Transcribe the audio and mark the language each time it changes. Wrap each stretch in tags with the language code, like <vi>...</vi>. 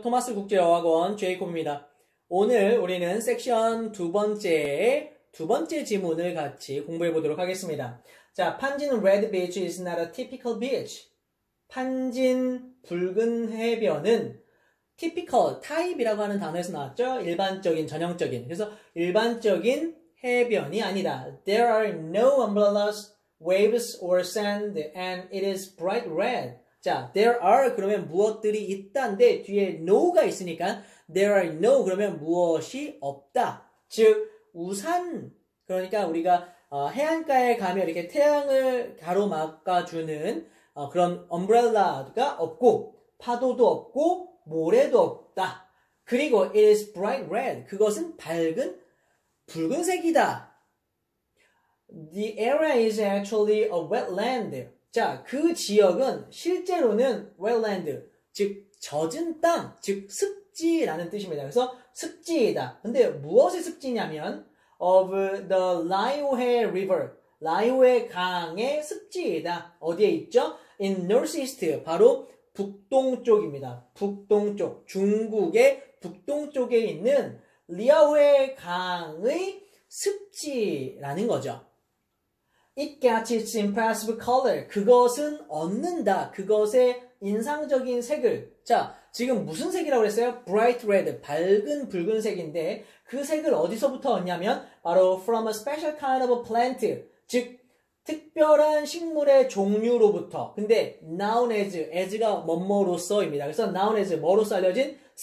<ko>토마스 국제어학원 제이콥입니다. 오늘 우리는 섹션 두 번째 지문을 같이 공부해 보도록 하겠습니다.</ko> <en>자, 판진 레드 비치 is not a typical beach.</en> <ko>판진 붉은 해변은 typical, type이라고 하는 단어에서 나왔죠? 일반적인, 전형적인. 그래서 일반적인 해변이 아니다.</ko> <en>There are no umbrellas, waves or sand and it is bright red.</en> <ko>자, there are 그러면 무엇들이 있다인데 뒤에 no가 있으니까</ko> <en>there are no</en> <ko>그러면 무엇이 없다. 즉 우산, 그러니까 우리가 해안가에 가면 이렇게 태양을 가로막아주는 그런 umbrella가 없고 파도도 없고 모래도 없다.</ko> <en>그리고 it is bright red.</en> <ko>그것은 밝은 붉은색이다.</ko> <en>The area is actually a wetland.</en> <ko>자, 그 지역은 실제로는 wetland, 즉 젖은 땅, 즉 습지라는 뜻입니다. 그래서 습지이다. 근데 무엇의 습지냐면</ko> <en>of the Laiohe River,</en> <ko>라이오해 강의 습지이다. 어디에 있죠?</ko> <en>In northeast,</en> <ko>바로 북동쪽입니다. 북동쪽, 중국의 북동쪽에 있는 리아오해 강의 습지라는 거죠.</ko> <en>It gets its impressive color.</en> <ko>그것은 얻는다. 그것의 인상적인 색을. 자, 지금 무슨 색이라고 그랬어요?</ko> <en>Bright red.</en> <ko>밝은 붉은색인데, 그 색을 어디서부터 얻냐면, 바로</ko> <en>from a special kind of a plant.</en> <ko>즉, 특별한 식물의 종류로부터. 근데, noun as가 뭐뭐로서입니다. 그래서 noun as, 뭐로서 알려진?</ko>